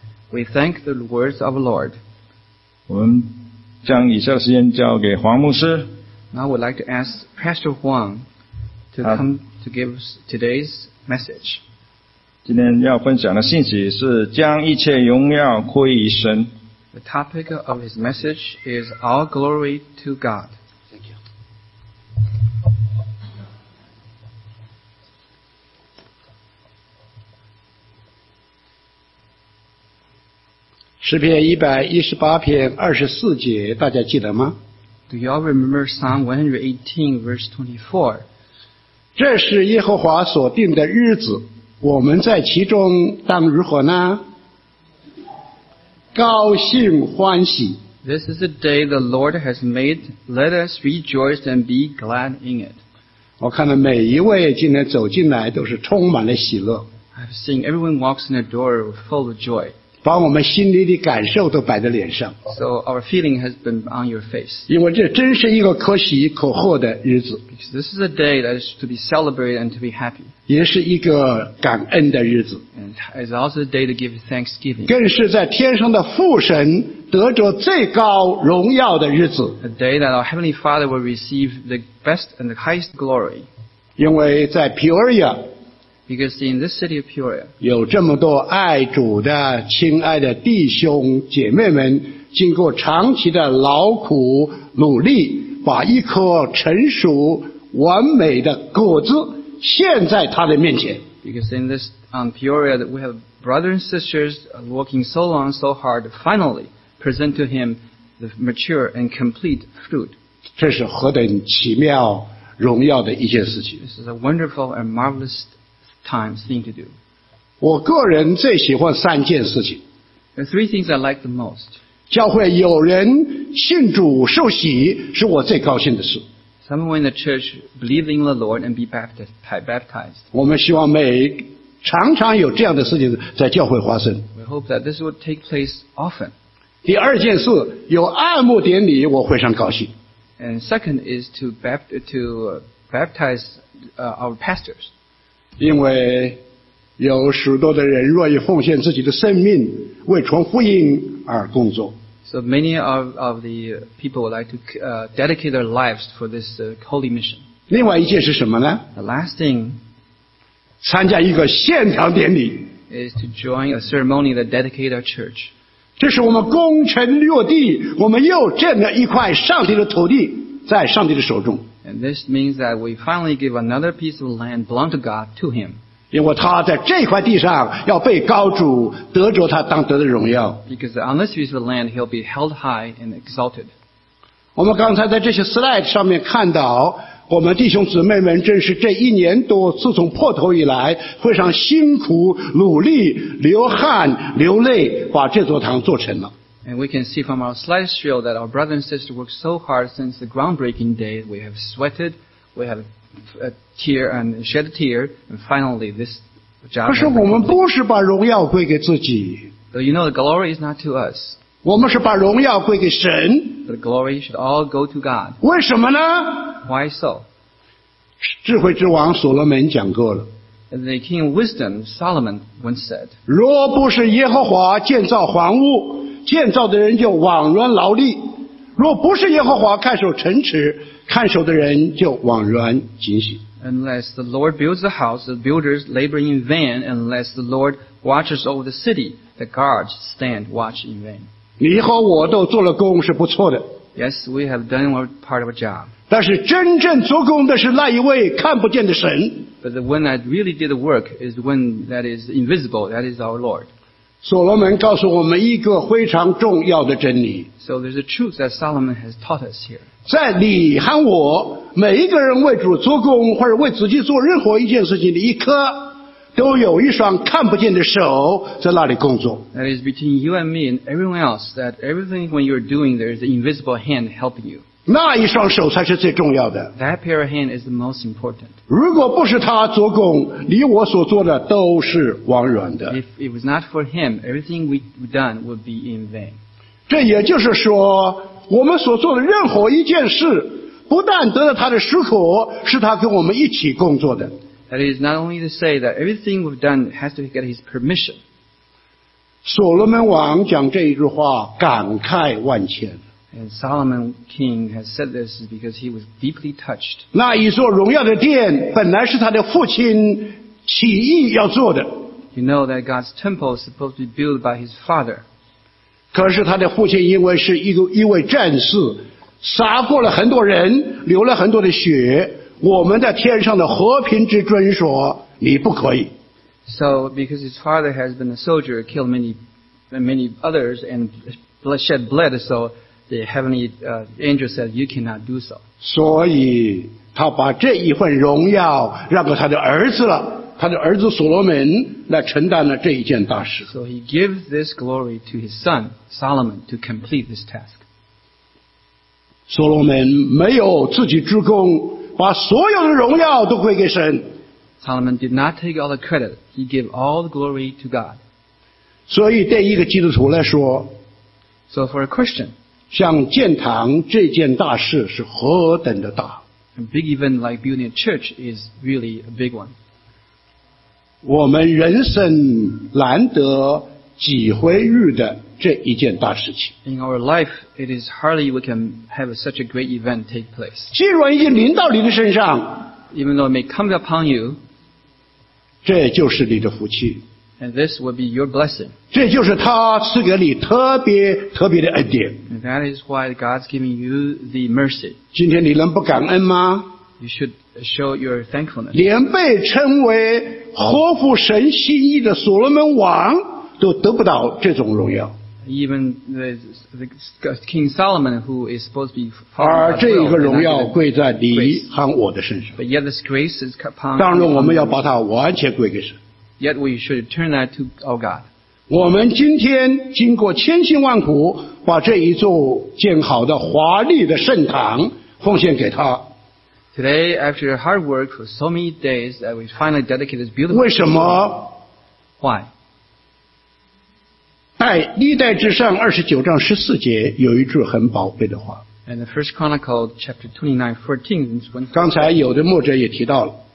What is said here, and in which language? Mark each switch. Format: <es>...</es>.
<en>We thank the words of the Lord.</en> <zh>我们将以下的时间交给黄牧师。</zh> <en>Now I would like to ask Pastor Huang to come to give today's message.</en> <zh>今天要分享的信息是将一切荣耀归于神。</zh> <en>The topic of his message is All Glory to God. Thank you.</en> <zh>诗篇118篇24节，大家记得吗？</zh> <en>Do you all remember Psalm 118, verse 24?</en> <zh>这是耶和华所定的日子，我们在其中当如何呢？高兴欢喜。</zh> <en>This is the day the Lord has made. Let us rejoice and be glad in it.</en> <zh>我看到每一位今天走进来都是充满了喜乐。</zh> <en>I've seen everyone walks in the door full of joy.</en> <zh>把我们心里的感受都摆在脸上。</zh> <en>So our feeling has been on your face.</en> <zh>因为这真是一个可喜可贺的日子。</zh> <en>Because this is a day that is to be celebrated and to be happy.</en> <zh>也是一个感恩的日子。</zh> <en>And it's also a day to give thanksgiving.</en> <zh>更是在天上的父神得着最高荣耀的日子。</zh> <en>A day that our Heavenly Father will receive the best and the highest glory.</en> <zh>因为在 Peoria,</zh> <en>Because in this city of Peoria,</en> <zh>有这么多爱主的亲爱的弟兄姐妹们，经过长期的劳苦努力，把一颗成熟完美的果子献在他的面前。</zh> <en>Because in this Peoria, that we have brothers and sisters working so long, so hard, finally present to him the mature and complete fruit.</en> <zh>这是何等奇妙荣耀的一件事情。</zh> <en>This is a wonderful and marvelous time thing to do.</en> <zh>我个人最喜欢三件事情。</zh> <en>The three things I like the most.</en> <zh>教会有人信主受洗是我最高兴的事。</zh> <en>Someone in the church believing the Lord and be baptized.</en> <zh>我们希望每常常有这样的事情在教会发生。</zh> <en>We hope that this would take place often.</en> <zh>第二件事，有按摩典礼，我非常高兴。</zh> <en>And second is to baptize our pastors.</en> <zh>因为有许多的人愿意奉献自己的生命为传福音而工作。</zh> <en>So many of the people would like to dedicate their lives for this holy mission.</en> <zh>另外一件是什么呢？</zh> <en>The last thing</en> <zh>参加一个现场典礼</zh> <en>is to join a ceremony that dedicates our church.</en> <zh>这是我们攻城略地，我们又占了一块上帝的土地在上帝的手中。</zh> <en>And this means that we finally give another piece of land belong to God to him.</en> <zh>因为他在这块地上要被高主得着他当得的荣耀。</zh> <en>Because on this piece of land, he'll be held high and exalted.</en> <zh>我们刚才在这些 slide 上面看到，我们弟兄姊妹们正是这一年多自从破头以来，非常辛苦努力，流汗流泪，把这座堂做成了。</zh> <en>And we can see from our slide show that our brother and sister worked so hard since the groundbreaking day. We have sweated, we haveA tear and shed a tear, and finally this job.</en> <zh>可是我们不是把荣耀归给自己。</zh> <en>So you know the glory is not to us.</en> <zh>我们是把荣耀归给神。</zh> <en>The glory should all go to God.</en> <zh>为什么呢？</zh> <en>Why so?</en> <zh>智慧之王所罗门讲过了。</zh> <en>The king of wisdom Solomon once said.</en> <zh>若不是耶和华建造房屋，建造的人就枉然劳力。若不是耶和华看守城池，看守的人就枉然警醒。</zh> <en>Unless the Lord builds the house, the builders labor in vain. Unless the Lord watches over the city, the guards stand watch in vain.</en> <zh>你和我都做了工是不错的。</zh> <en>Yes, we have done our part of a job.</en> <zh>但是真正做工的是那一位看不见的神。</zh> <en>But the one that really did the work is the one that is invisible, that is our Lord.</en> <zh>所罗门告诉我们一个非常重要的真理。</zh> <en>So there's a truth that Solomon has taught us here.</en> <zh>在你和我每一个人为主做工或者为自己做任何一件事情的一刻，都有一双看不见的手在那里工作。</zh> <en>That is between you and me and everyone else. That everything when you're doing, there's an invisible hand helping you.</en> <zh>那一双手才是最重要的。</zh> <en>That pair of hands is the most important.</en> <zh>如果不是他做工，你我所做的都是枉然的。</zh> <en>If it was not for him, everything we've done would be in vain.</en> <zh>这也就是说，我们所做的任何一件事，不但得了他的许可，是他跟我们一起工作的。</zh> <en>That is not only to say that everything we've done has to get his permission.</en> <zh>所罗门王讲这一句话，感慨万千。</zh> <en>And Solomon King has said this because he was deeply touched.</en> <zh>那一座荣耀的殿本来是他的父亲起意要做的。</zh> <en>You know that God's temple is supposed to be built by his father.</en> <zh>可是他的父亲因为是一位战士，杀过了很多人，流了很多的血，我们在天上的和平之尊说你不可以。</zh> <en>So because his father has been a soldier, killed many others and shed blood, so the heavenly angel said you cannot do so.</en> <zh>所以他把这一份荣耀让给他的儿子了，他的儿子所罗门来承担了这一件大事。</zh> <en>So he gives this glory to his son Solomon to complete this task.</en> <zh>所罗门没有自己之功，把所有的荣耀都归给神。</zh> <en>Solomon did not take all the credit. He gave all the glory to God.</en> <zh>所以对一个基督徒来说，</zh> <en>So for a Christian,</en> <zh>像建堂这件大事是何等的大。</zh> <en>A big event like building a church is really a big one.</en> <zh>我们人生难得几回遇的这一件大事情。</zh> <en>In our life, it is hardly we can have such a great event take place.</en> <zh>既然已经临到你的身上，</zh> <en>Even though it may come upon you,</en> <zh>这就是你的福气。</zh> <en>And this will be your blessing.</en> <zh>这就是他赐给你特别特别的恩典。</zh> <en>And that is why God's giving you the mercy.</en> <zh>今天你能不感恩吗？</zh> <en>You should show your thankfulness.</en> <zh>连被称为合乎神心意的所罗门王都得不到这种荣耀。</zh> <en>even the King Solomon, who is supposed to be following God's will, but yet this grace is upon us. Yet we should turn that to our God.</en> <zh>我们今天经过千辛万苦, 把这一座建好的华丽的圣堂, 奉献给他。</zh> <en>Today, after hard work for so many days, that we finally dedicate this beautiful.</en> <zh>为什么?</zh> <en>Why?</en> <zh>历代之上29章14节有一句很宝贝的话。</zh> <en>And the First Chronicle chapter 29:14.</en> <zh>刚才有的牧者也提到了。</zh>